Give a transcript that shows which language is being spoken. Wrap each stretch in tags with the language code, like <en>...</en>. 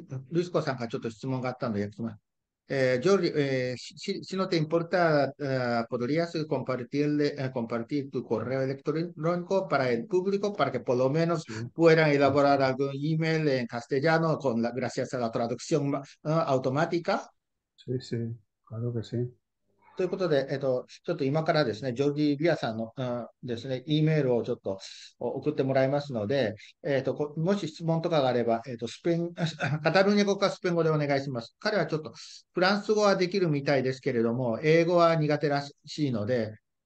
<ja>ルイスコさんからちょっと質問があったので、やってみます。</ja> <es>Jordi, si no te importa, podrías compartir tu correo electrónico para el público para que por lo menos puedan elaborar algún email en castellano gracias a la traducción automática. Sí, sí, claro que sí.</es> <ja>ということで、ちょっと今からですね、ジョージ・ビアさんの、ですね、E メールをちょっと送ってもらいますので、もし質問とかがあれば、カタルーニャ語かスペイン語でお願いします。彼はちょっとフランス語はできるみたいですけれども、英語は苦手らしいので。</ja>